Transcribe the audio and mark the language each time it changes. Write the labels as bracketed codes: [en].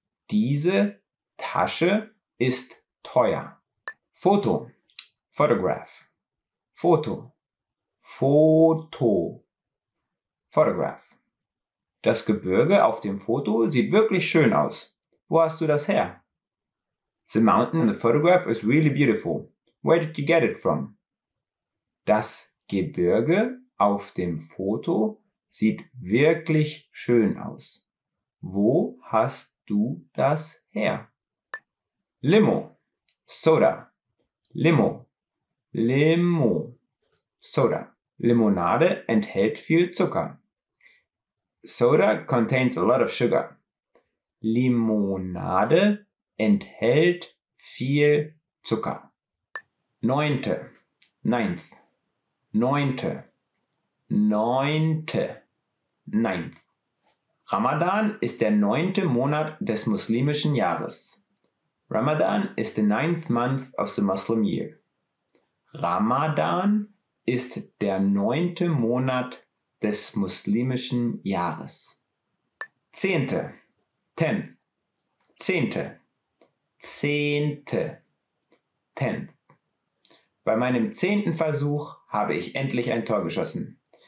[de] Diese Tasche ist teuer. Foto. Photograph. Foto. Foto. Photograph. Das Gebirge auf dem Foto sieht wirklich schön aus. Wo hast du das her? [en] The mountain in the photograph is really beautiful. Where did you get it from? [de] Das Gebirge auf dem Foto sieht wirklich schön aus. Wo hast du das her? Limo, soda, limo, limo, soda. Limonade enthält viel Zucker. [en] Soda contains a lot of sugar. [de] Limonade enthält viel Zucker. Neunte, ninth, neunte, neunte, ninth. Ramadan ist der neunte Monat des muslimischen Jahres. [en] Ramadan is the ninth month of the Muslim year. [de] Ramadan ist der neunte Monat des muslimischen Jahres. Zehnte, tenth, zehnte, zehnte, tenth. Bei meinem zehnten Versuch habe ich endlich ein Tor geschossen.